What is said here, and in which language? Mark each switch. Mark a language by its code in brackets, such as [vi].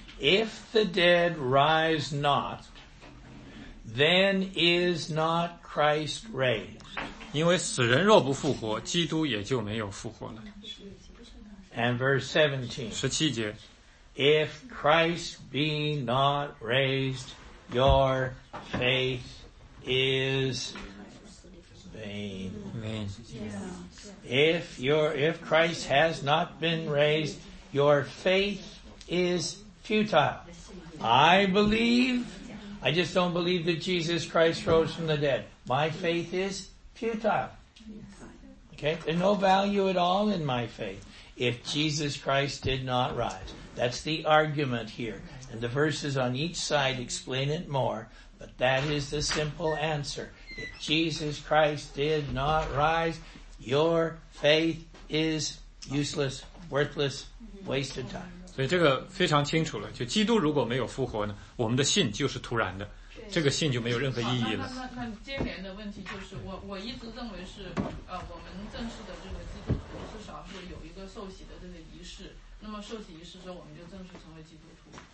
[en] If the dead rise not, then is not Christ raised. [zh] 因为死人若不复活，基督也就没有复活了。 [en] And verse 17. [zh] 十七节。 [en] If Christ be not raised, your faith is vain. Vain. If Christ has not been raised, your faith is vain. Futile. I believe, I just don't believe that Jesus Christ rose from the dead. My faith is futile. Okay? There's no value at all in my faith if Jesus Christ did not rise. That's the argument here. And the verses on each side explain it more, but that is the simple answer. If Jesus Christ did not rise, your faith is useless, worthless, wasted time. [zh] 所以这个非常清楚了，就基督如果没有复活呢，我们的信就是突然的，这个信就没有任何意义了。那接连的问题就是，我一直认为是，我们正式的这个基督徒至少是有一个受洗的这个仪式，那么受洗仪式之后我们就正式成为基督徒。